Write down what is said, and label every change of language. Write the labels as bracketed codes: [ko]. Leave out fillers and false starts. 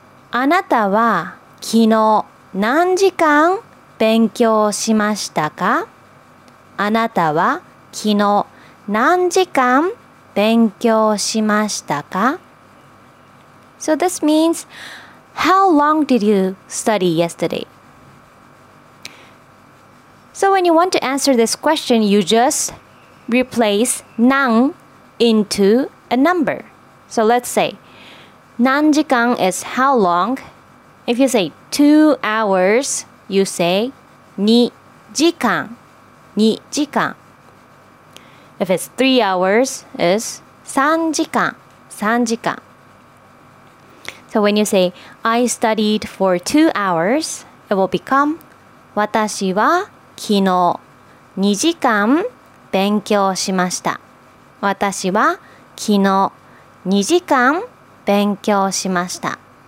[ja] あなたは昨日何時間勉強しましたか? あなたは昨日何時間勉強しましたか? [en] So this means, how long did you study yesterday? So when you want to answer this question, you just replace 何 into a number. So let's say, 何時間 is how long. If you say 2 hours, you say 2時間2時間 If it's 3 hours, it's 3時間3時間 So when you say, I studied for 2 hours, it will become [ja] 私は昨日2時間勉強しました私は昨日2時間勉強しました